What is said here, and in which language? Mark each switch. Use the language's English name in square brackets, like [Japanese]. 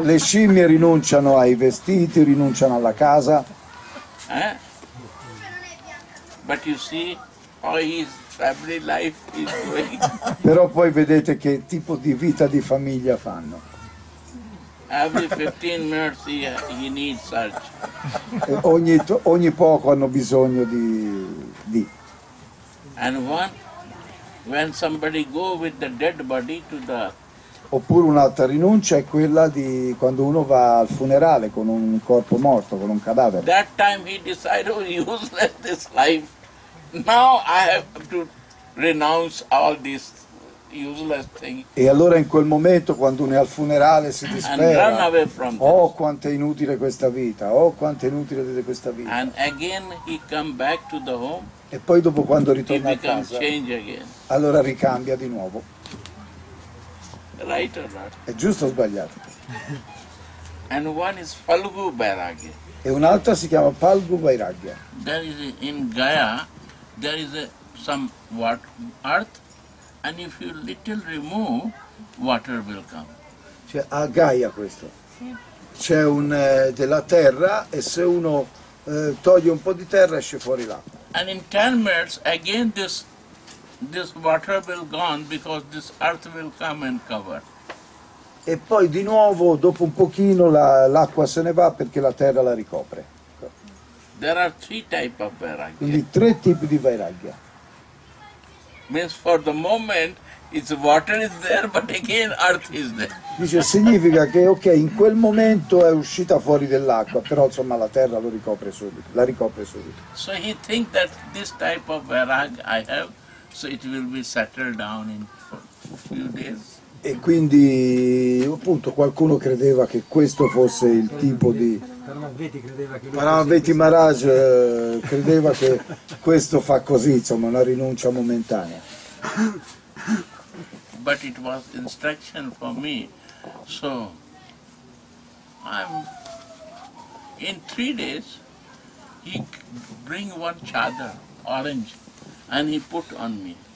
[Italian] le scimmie rinunciano ai vestiti, rinunciano alla casa. [English] But you see how his family life is going. [Italian] Però poi vedete che tipo di vita di famiglia fanno. [English] Every 15 minutes he needs such. [Italian] Ogni poco hanno bisogno di. [English] And one. When somebody go with the dead body to the. [Italian] Oppure un'altra rinuncia è quella di quando uno va al funerale con un corpo morto, con un cadavere. [English] That time he decided to use this life. Now I have to renounce all these useless thing. [Italian] E allora in quel momento, quando uno è al funerale, si dispera. [English] And run away from this. [Italian] Oh, quanto è inutile questa vita! Oh, quanto è inutile questa vita! [English] And again he come back to the home. [Italian] E poi dopo, quando ritorna a casa, [English] change again. [Italian] Allora ricambia di nuovo. [English] Right or not? [Italian] È giusto o sbagliato? [English] And one is Phalgu Vairagya. [Italian] E un'altra si chiama Phalgu Vairagya. [English] There is in Gaya, there is some water, earth, and if you little remove, water will come. [Italian] Cioè a Gaia questo. C'è un della terra e se uno toglie un po' di terra esce fuori l'acqua. [English] And in 10 minutes again this water will gone because this earth will come and cover. [Italian] E poi di nuovo dopo un pochino l'acqua se ne va perché la terra la ricopre. [English] There are three type of vairagya. [Italian] Quindi tre tipi di vairagya. [English] Means for the moment it's water is there but again earth is there. [Italian] Dice significa che ok, in quel momento è uscita fuori dell'acqua, però insomma la terra lo ricopre subito, la ricopre subito. [English] So he think that this type of vairagya I have so it will be settled down in few days. [Italian] E quindi appunto qualcuno credeva che questo fosse il tipo di Paramavedi Maharaj credeva che questo fa così, insomma, una rinuncia momentanea. [English] But it was instruction for me. So I'm in 3 days he bring one chadar orange and he put on me.